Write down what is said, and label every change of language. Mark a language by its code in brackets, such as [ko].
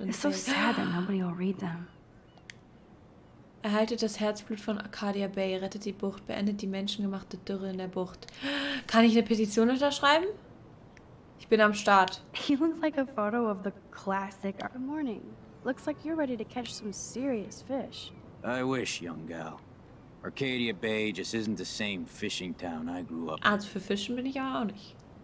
[en] It's so sad that nobody will read them. [de] Erhaltet das Herzblut von Arcadia Bay, rettet die Bucht, beendet die menschengemachte Dürre in der Bucht. Kann ich eine Petition unterschreiben? Ich bin am Start. [en] He looks like a photo of the classic. Good morning. Looks like you're ready to catch some serious fish. I wish, young gal. Arcadia Bay just isn't the same fishing town I grew up in. [de] Also für Fischen bin ich auch nicht.